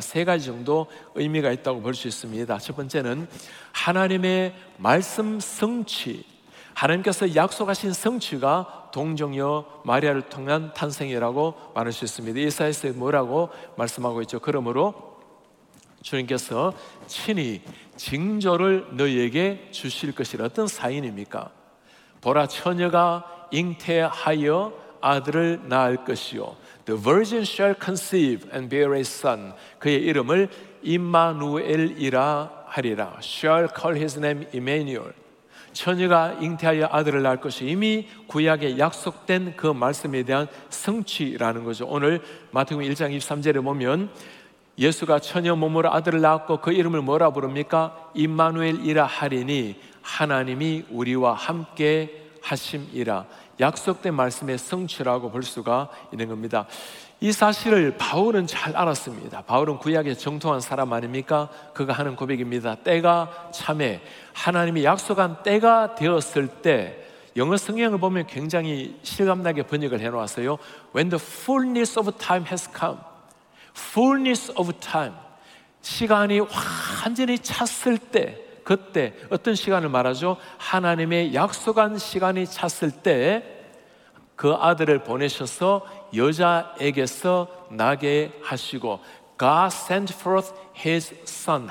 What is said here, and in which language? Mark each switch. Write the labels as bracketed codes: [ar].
[ko] 세 가지 정도 의미가 있다고 볼 수 있습니다. 첫 번째는 하나님의 말씀 성취, 하나님께서 약속하신 성취가 동정녀 마리아를 통한 탄생이라고 말할 수 있습니다. 이사야서 뭐라고 말씀하고 있죠? 그러므로 주님께서 친히 징조를 너희에게 주실 것이라. 어떤 사인입니까? 보라, 처녀가 잉태하여 아들을 낳을 것이요 [en] The virgin shall conceive and bear a son. [ko] 그의 이름을 임마누엘이라 하리라. [en] Shall call his name Emmanuel. [ko] 처녀가 잉태하여 아들을 낳을 것이 이미 구약에 약속된 그 말씀에 대한 성취라는 거죠. 오늘 마태복음 1장 23절에 보면 예수가 처녀 몸으로 아들을 낳았고 그 이름을 뭐라 부릅니까? 임마누엘이라 하리니 하나님이 우리와 함께 하심이라. 약속된 말씀의 성취라고 볼 수가 있는 겁니다. 이 사실을 바울은 잘 알았습니다. 바울은 구약에 정통한 사람 아닙니까? 그가 하는 고백입니다. 때가 참에 하나님이 약속한 때가 되었을 때, 영어 성경을 보면 굉장히 실감나게 번역을 해놓았어요. [en] When the fullness of time has come. Fullness of time. [ko] 시간이 완전히 찼을 때, 그때 어떤 시간을 말하죠? 하나님의 약속한 시간이 찼을 때 그 아들을 보내셔서 여자에게서 나게 하시고, [en] God sent forth his son.